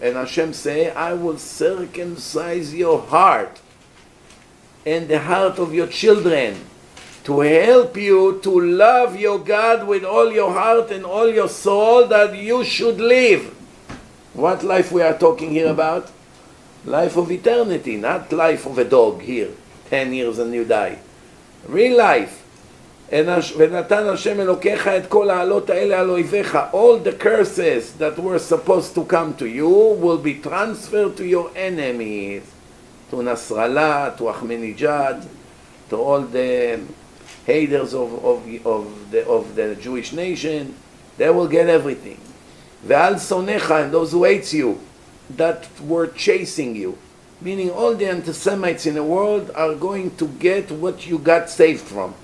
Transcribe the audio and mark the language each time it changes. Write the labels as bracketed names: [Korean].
[English] And Hashem say, I will circumcise your heart and the heart of your children to help you to love your God with all your heart and all your soul that you should live. What life we are talking here about? Life of eternity, not life of a dog here, 10 years and you die. Real life. [Hebrew] ונתן השם אלוקיך את כל העלות האלה על אויביך. [English] All the curses that were supposed to come to you will be transferred to your enemies, to Nasrallah, to Ahmadinejad, to all the haters of the Jewish nation. They will get everything. [Hebrew] ועל שונאיך, [English] and those who hate you, that were chasing you, meaning all the anti-Semites in the world are going to get what you got saved from.